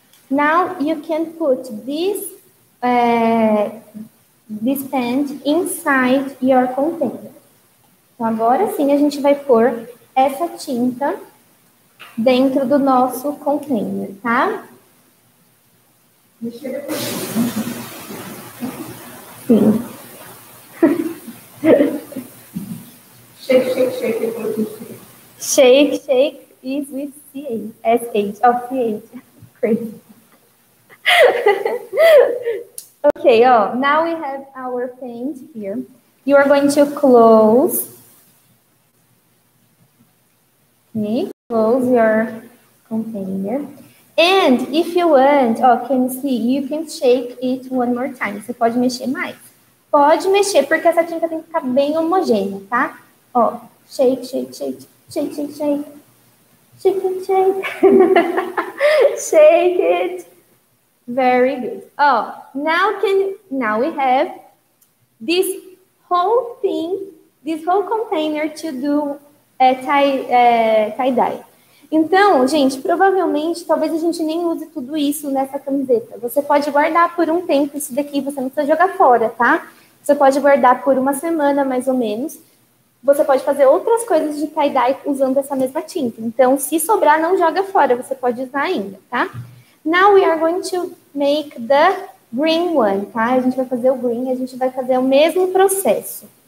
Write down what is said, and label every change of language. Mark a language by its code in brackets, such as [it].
[en] Now you can put this this pen inside your container. [pt] Então agora sim a gente vai pôr essa tinta dentro do nosso container, tá? Sim. [en] Shake, shake, shake. Shake, shake is with C-H. S-H. Oh, C-H. Crazy. Okay, oh, now we have our paint here. You are going to close. Okay, close your container. And if you want, oh, can you see? You can shake it one more time. [pt] Você pode mexer mais. Pode mexer, porque essa tinta tem que ficar bem homogênea, tá? [en] Ó, oh, shake, shake, shake, shake, shake, shake, shake, shake, shake it. Very good. Oh, now we have this whole thing, this whole container to do tie-dye. [pt] Então, gente, provavelmente, talvez a gente nem use tudo isso nessa camiseta. Você pode guardar por um tempo isso daqui, você não precisa jogar fora, tá? Você pode guardar por uma semana, mais ou menos. Você pode fazer outras coisas de tie-dye usando essa mesma tinta. Então, se sobrar, não joga fora. Você pode usar ainda, tá? [en] Now we are going to make the green one, tá? [pt] A gente vai fazer o green, a gente vai fazer o mesmo processo.